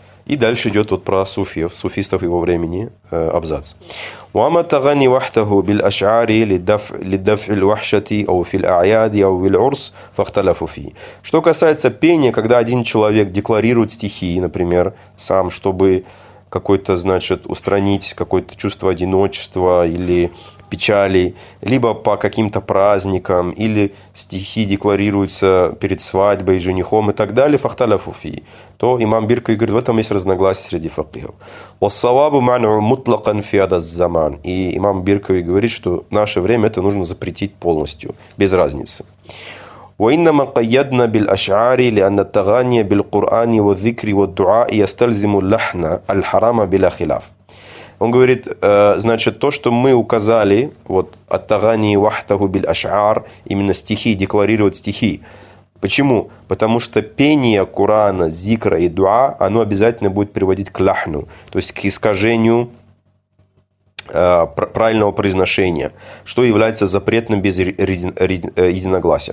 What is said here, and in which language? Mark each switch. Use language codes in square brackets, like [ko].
[ru] И дальше идет вот про суфиев, суфистов его времени, абзац. [ar] وما تغني وحده بالأشعار لدفع الوحشة أو في الأعياد أو في العرس فاختلفوا فيه. [ru] Что касается пения, когда один человек декларирует стихи, например, сам, чтобы какой-то, значит, устранить какое-то чувство одиночества или печали, либо по каким-то праздникам, или стихи декларируются перед свадьбой, женихом и так далее, [ar] фахталяфу фи, [ru] то имам Биркави говорит, в этом есть разногласия среди факихов. [ar] Вассавабу ману мутлакан фи адас заман. [ru] И имам Биркави говорит, что в наше время это нужно запретить полностью, без разницы. [ar] وإنما قيدنا بالأشعار لأن التغاني بالقرآن والذكر والدعاء يستلزم اللحن الحرام بلا خلاف. [ru] Он говорит, значит, то, что мы указали, вот, [ar] «Ат-тагани вахтаху биль ашар», [ru] именно стихи, декларировать стихи. Почему? Потому что пение Корана, зикра и дуа, оно обязательно будет приводить к лахну, то есть к искажению правильного произношения, что является запретным без единогласия.